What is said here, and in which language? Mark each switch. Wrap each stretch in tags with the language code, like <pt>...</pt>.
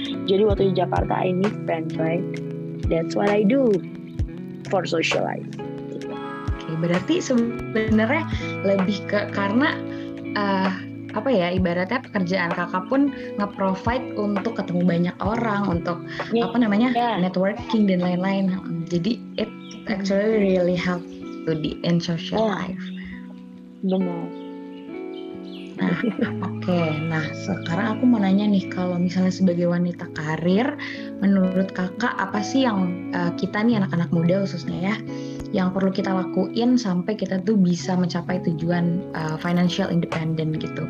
<id>Jadi waktu di Jakarta</id> <en>I need friends, right? That's what I do for social life.</en> <id>Oke, berarti sebenarnya lebih ke karena apa ya, ibaratnya pekerjaan kakak pun nge-provide untuk ketemu banyak orang, untuk networking dan lain-lain.</id> <en>Jadi it actually really help to the end social life.</en> <id>Benar. Nah, sekarang aku mau nanya nih, kalau misalnya sebagai wanita karir, menurut kakak apa sih yang kita nih anak-anak muda khususnya ya, yang perlu kita lakuin sampai kita tuh bisa mencapai tujuan financial independent gitu.</id>